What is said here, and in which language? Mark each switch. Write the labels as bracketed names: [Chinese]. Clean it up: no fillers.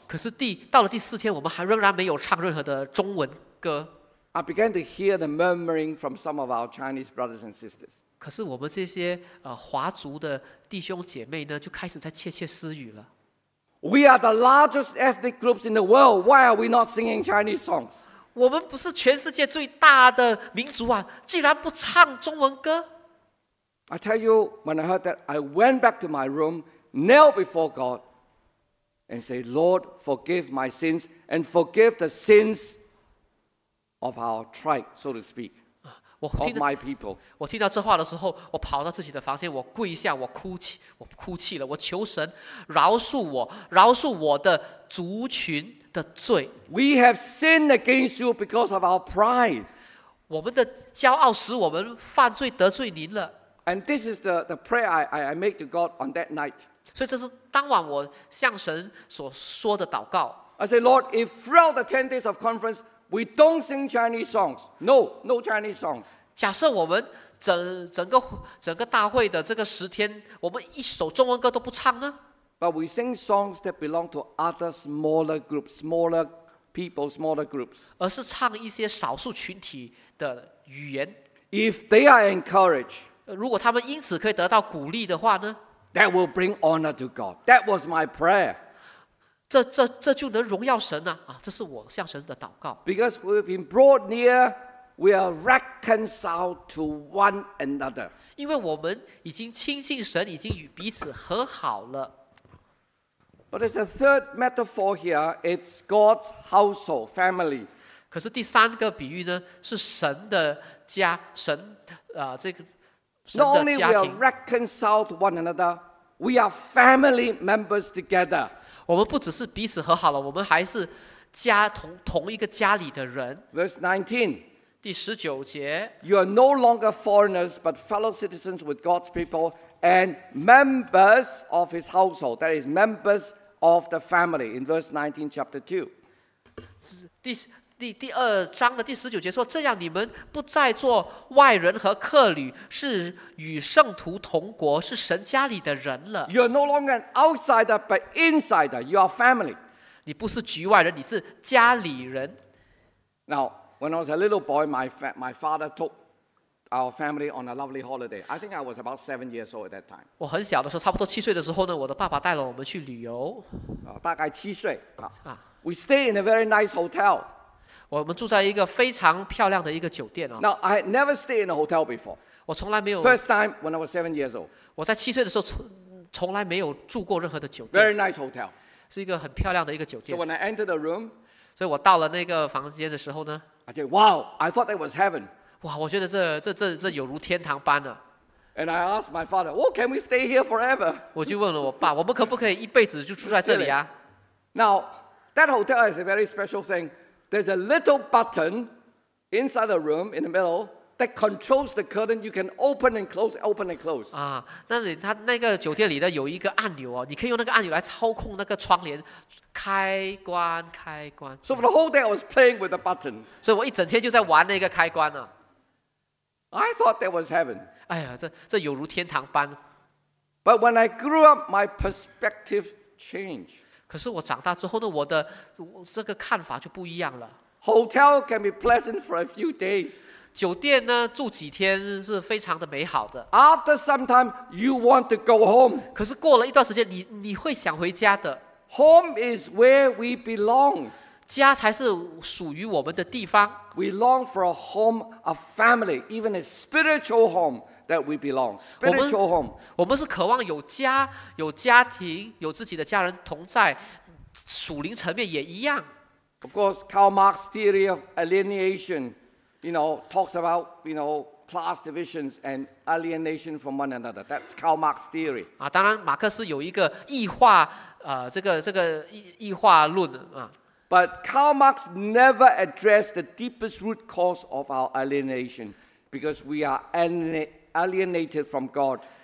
[Chinese] 可是到了第四天，我们还仍然没有唱任何的中文歌。 [English] I began to hear the murmuring from some of our Chinese brothers and sisters. [Chinese] 可是我们这些华族的弟兄姐妹呢，就开始在窃窃私语了。 [English] We are the largest ethnic groups in the world. Why are we not singing Chinese songs? [Chinese] 我们不是全世界最大的民族啊，竟然不唱中文歌。 [English] I tell you, when I heard that, I went back to my room. Knelt before God and say, Lord, forgive my sins and forgive the sins of our tribe, so to speak, of my people. [Chinese] 我听到这话的时候，我跑到自己的房间，我跪下，我哭泣了，我求神饶恕我的族群的罪。 [English] We have sinned against you because of our pride. [Chinese] 我们的骄傲使我们犯罪得罪您了。 [English] And this is the prayer I make to God on that night. [Chinese] 所以这是当晚我向神所说的祷告。 [English] I say, Lord, if throughout the 10 days of conference We don't sing Chinese songs. No, no Chinese songs. [Chinese] 假设我们整个大会的这个十天，我们一首中文歌都不唱呢？ [English] But we sing songs that belong to other smaller groups, smaller people, smaller groups. [Chinese] 而是唱一些少数群体的语言。 [English] If they are encouraged, [Chinese] 如果他们因此可以得到鼓励的话呢？ [English] That will bring honor to God. That was my prayer. [Chinese] 这就能荣耀神啊，这是我向神的祷告。 [English] Because we've been brought near, we are reconciled to one another. [Chinese] 因为我们已经亲近神，已经与彼此和好了。 [English] But there's a third metaphor here. It's God's household, family. [Chinese] 可是第三个比喻呢，是神的家，神啊、这个神的家庭。 [English] Not only we are reconciled to one another, we are family members together. [Chinese] 我们不只是彼此和好了，我们还是家 同一个家里的人。 [English] Verse 19, [Chinese] 第十九节 [English] ，You are no longer foreigners, but fellow citizens with God's people and members of His household. That is members of the family. In verse 19, chapter 2. [Chinese] 第二章的第十九节说：这样你们不再做外人和客旅，是与圣徒同国，是神家里的人了。 [English] You are no longer an outsider, but insider. You are family. [Chinese] 你不是局外人，你是家里人。 [English] Now, when I was a little boy, my father took our family on a lovely holiday. I think I was about 7 years old at that time. [Chinese] 我很小的时候，差不多七岁的时候呢，我的爸爸带了我们去旅游。大概七岁。 [English] We stayed in a very nice hotel. [Chinese] 我们住在一个非常漂亮的一个酒店哦。 [English] Now I had never stayed in a hotel before. [Chinese] 我从来没有。 [English] First time when I was 7 years old. [Chinese] 我在七岁的时候从来没有住过任何的酒店。 [English] Very nice hotel. [Chinese] 是一个很漂亮的一个酒店。 [English] So when I entered the room, [Chinese] 所以我到了那个房间的时候呢 [English] ，I said, "Wow, I thought that was heaven." [Chinese] 哇，我觉得这有如天堂般了。 [English] And I asked my father, "What can we stay here forever?" [Chinese] 我就问了我爸，我们可不可以一辈子就住在这里啊 [English] ？Now that hotel is a very special thing. There's a little button inside the room in the middle that controls the curtain. You can open and close, open and close. [Chinese] 啊，那里它那个酒店里的有一个按钮哦，你可以用那个按钮来操控那个窗帘，开关，开关。 [English] So for the whole day, I was playing with the button. [Chinese] 所以我一整天就在玩那个开关呢。 [English] I thought that was heaven. [Chinese] 哎呀，这有如天堂般。 [English] But when I grew up, my perspective changed. [Chinese] 可是我长大之后呢，我这个看法就不一样了。 [English] Hotel can be pleasant for a few days. [Chinese] 酒店呢住几天是非常的美好的。 [English] After some time, you want to go home. [Chinese] 可是过了一段时间，你会想回家的。 [English] Home is where we belong. [Chinese] 家才是属于我们的地方。 [English] We long for a home, a family, even a spiritual home. That we belong, spiritual home. [Chinese] 我们是渴望有家、有家庭、有自己的家人同在，属灵层面也一样。 [English] Of course, Karl Marx's theory of alienation, you know, talks about, you know, class divisions and alienation from one another. That's Karl Marx's theory. [Chinese] 啊，当然，马克思有一个异化，这个异化论啊。 [English] But Karl Marx never addressed the deepest root cause of our alienation, because we are alienated from God.